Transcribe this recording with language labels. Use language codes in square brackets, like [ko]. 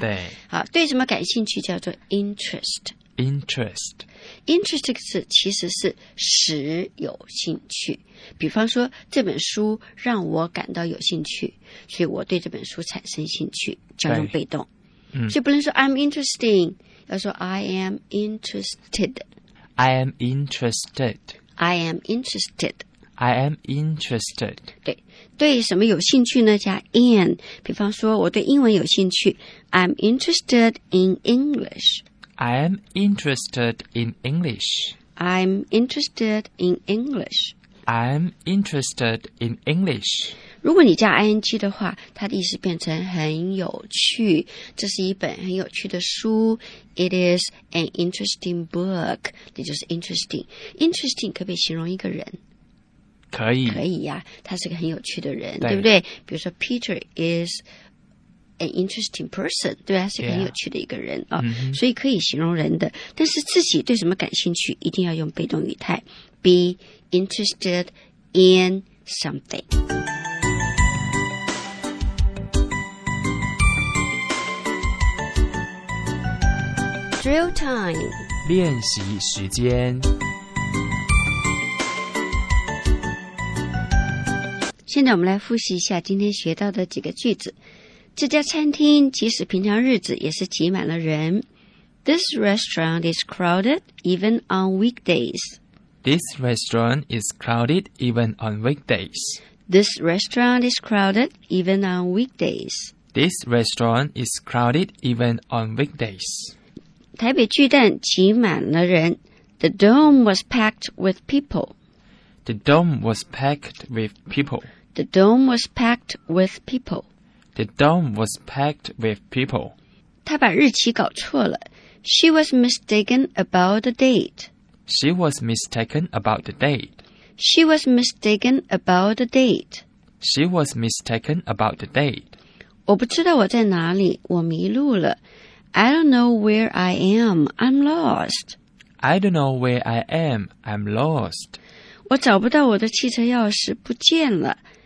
[zh] 对，好，对什么感兴趣叫做 interest。 [en] interest。 [zh] interest 这个词其实是使有兴趣。比方说这本书让我感到有兴趣，所以我对这本书产生兴趣，叫做被动。嗯，所以不能说 [en] I'm interesting， [zh] 要说 [en] I am interested。 I am interested. I am interested. I am interested. [zh] 对，对什么有兴趣呢？加 in. 比方说，我对英文有兴趣。 [en] I'm interested in English. I am interested in English. I'm interested in English. I'm interested in English. [zh] 如果你加 ing 的话，它的意思变成很有趣。这是一本很有趣的书。 [en] It is an interesting book. [zh] 也就是 interesting. Interesting 可不可以形容一个人？可以。可以呀，他是个很有趣的人，对不对？比如说 [en] Peter is an interesting person. [zh] 对吧，他是个很有趣的一个人。 yeah. 哦， mm-hmm. 所以可以形容人的。但是自己对什么感兴趣，一定要用被动语态。 [en] Be interested in something. Drill time. [zh] 练习时间。现在我们来复习一下今天学到的几个句子。这家餐厅即使平常日子也是挤满了人。 [en] This restaurant is crowded even on weekdays. This restaurant is crowded even on weekdays. This restaurant is crowded even on weekdays. This restaurant is crowded even on weekdays. [zh] 台北巨蛋挤满了人。 [en] The dome was packed with people. The dome was packed with people. The dome was packed with people. The dome was packed with people. [zh] 她把日期搞错了。 [en] She was mistaken about the date. She was mistaken about the date. She was mistaken about the date. She was mistaken about the date. [zh] 我不知道我在哪里，我迷路了。 [en] I don't know where I am. I'm lost. I don't know where I am. I'm lost. [zh] 我找不到我的汽车钥匙，不见了。